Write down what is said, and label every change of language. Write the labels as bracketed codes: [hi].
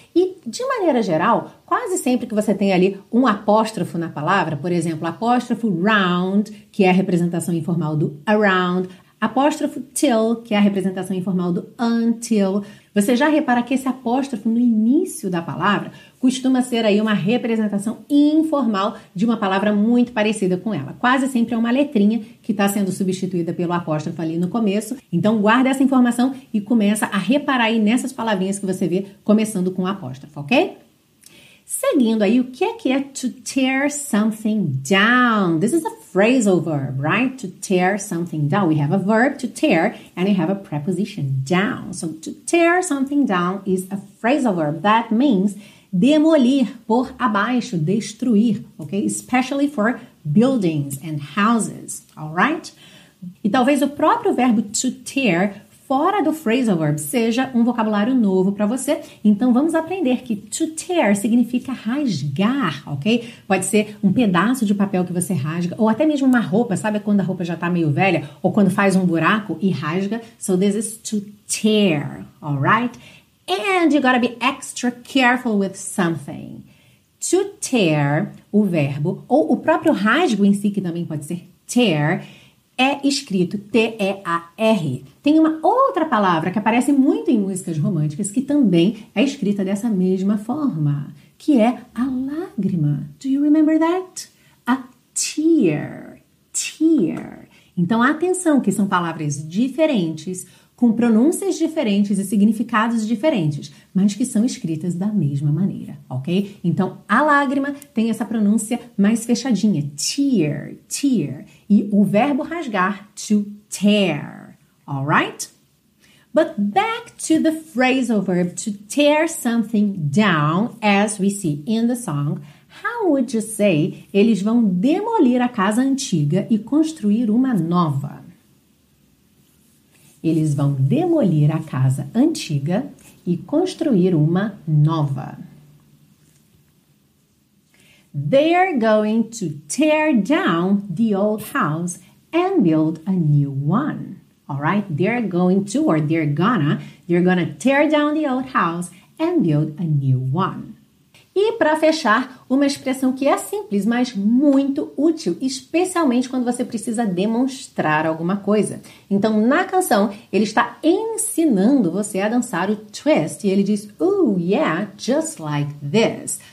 [pt] E, de maneira geral, quase sempre que você tem ali um apóstrofo na palavra, por exemplo, apóstrofo round, que é a representação informal do around, apóstrofo till, que é a representação informal do until, você já repara que esse apóstrofo no início da palavra costuma ser aí uma representação informal de uma palavra muito parecida com ela. Quase sempre é uma letrinha que está sendo substituída pelo apóstrofo ali no começo. Então, guarda essa informação e começa a reparar aí nessas palavrinhas que você vê começando com apóstrofo, ok? Seguindo aí, o que é [en] to tear something down? This is a phrasal verb, right? To tear something down. We have a verb to tear and we have a preposition down. So, to tear something down is a phrasal verb. That means [pt] demolir, pôr abaixo, destruir, [en] ok? Especially for buildings and houses, alright? [pt] E talvez o próprio verbo to tear fora do phrasal verb seja um vocabulário novo para você. Então, vamos aprender que to tear significa rasgar, ok? Pode ser um pedaço de papel que você rasga, ou até mesmo uma roupa, sabe quando a roupa já está meio velha? Ou quando faz um buraco e rasga? [en] So, this is to tear, alright? And you gotta be extra careful with something. [pt] To tear, o verbo, ou o próprio rasgo em si, que também pode ser tear, é escrito T-E-A-R. Tem uma outra palavra que aparece muito em músicas românticas que também é escrita dessa mesma forma, que é a lágrima. [en] Do you remember that? A tear. Tear. [pt] Então, atenção, que são palavras diferentes, com pronúncias diferentes e significados diferentes, mas que são escritas da mesma maneira, ok? Então, a lágrima tem essa pronúncia mais fechadinha, tear, tear, e o verbo rasgar, to tear, alright? [en] But back to the phrasal verb, to tear something down, as we see in the song, how would you say [pt] eles vão demolir a casa antiga e construir uma nova? Eles vão demolir a casa antiga e construir uma nova. [en] They're going to tear down the old house and build a new one. All right? They're going to, or they're gonna tear down the old house and build a new one. [pt] E para fechar, uma expressão que é simples, mas muito útil, especialmente quando você precisa demonstrar alguma coisa. Então, na canção, ele está ensinando você a dançar o twist e ele diz, [en] oh yeah, just like this.